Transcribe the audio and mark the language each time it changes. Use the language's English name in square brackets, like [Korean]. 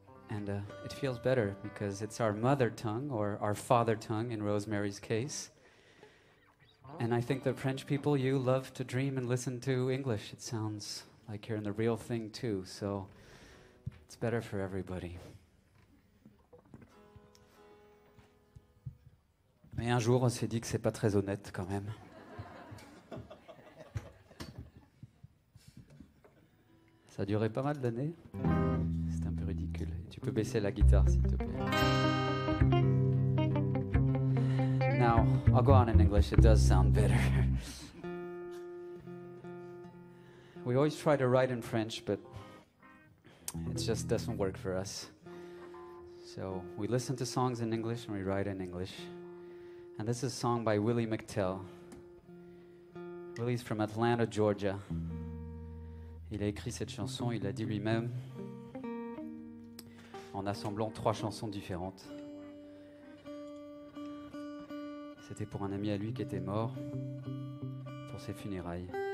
[English] And it feels better because it's our mother tongue, or our father tongue in Rosemary's case. And I think the French people, you love to dream and listen to English. It sounds like you're in the real thing too, so it's better for everybody. [French] Mais un jour, on s'est dit que c'est pas très honnête quand même. Ça a duré pas mal d'années. C'est un peu ridicule. Tu peux baisser la guitare, s'il te plaît. [English] Now, I'll go on in English. It does sound better. We always try to write in French, but it just doesn't work for us. So we listen to songs in English and we write in English. And this is a song by Willie McTell. Willie's from Atlanta, Georgia. [French] Il a écrit cette chanson, il l'a dit lui-même, en assemblant trois chansons différentes. C'était pour un ami à lui qui était mort, pour ses funérailles.